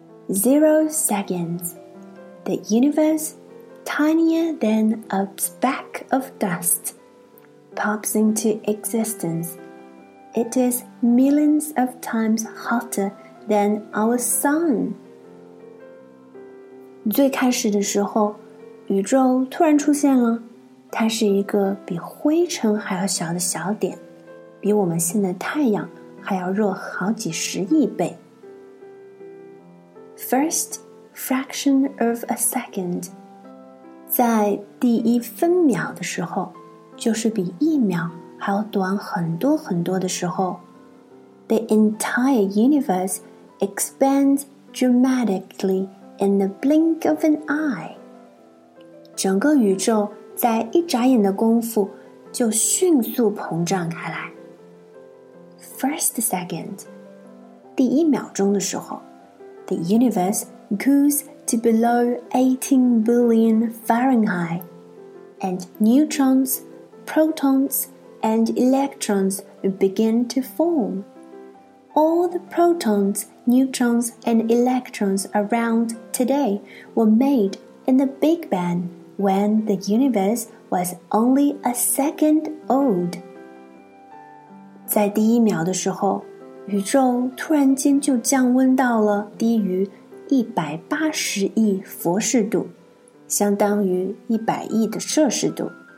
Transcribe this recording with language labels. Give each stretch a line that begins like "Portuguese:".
English: 0 seconds, the universe, tinier than a speck of dust, pops into existence. It is millions of times hotter than our sun.
Chinese: 最开始的时候，宇宙突然出现了，它是一个比灰尘还要小的小点，比我们现在太阳还要热好几十亿倍。
English: First fraction of a second，
Chinese: 在第一分秒的时候，就是比一秒还要短很多很多的时候。
English: The entire universe expands dramatically in the blink of an eye，
Chinese: 整个宇宙在一眨眼的功夫就迅速膨胀开来。
English: First second，
Chinese: 第一秒钟的时候，
English: The universe cools to below 18 billion Fahrenheit, and neutrons, protons, and electrons begin to form. All the protons, neutrons, and electrons around today were made in the Big Bang when the universe was only a second old.
Chinese: 在第一秒的时候，宇宙突然间就降温到了低于180亿佛氏度，相当于100亿的摄氏度。